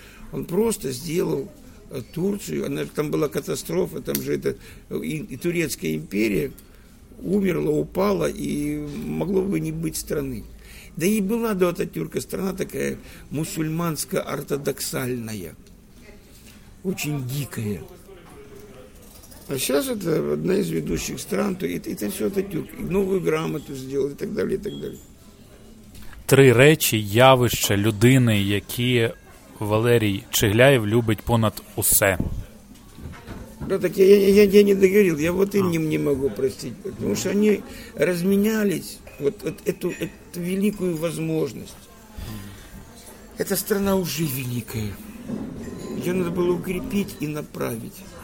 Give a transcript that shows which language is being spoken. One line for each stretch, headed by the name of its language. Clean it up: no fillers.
Russian: Он просто сделал Турцию, там была катастрофа, там же это и Турецкая империя умерла, упала, и могло бы не быть страны. Да и была до Ататюрка страна такая мусульманско-ортодоксальная, очень дикая. А сейчас это одна из ведущих стран, то это все Ататюрк. И новую грамоту сделали, и так далее, и так далее.
Ukrainian: Три речі, явища, людини, які Валерій Чигляєв любить понад усе.
Russian: Ну, так я не договорил, я вот им не могу простить, потому что они разменялись вот эту великую возможность. Эта страна уже великая. Ее надо было укрепить и направить.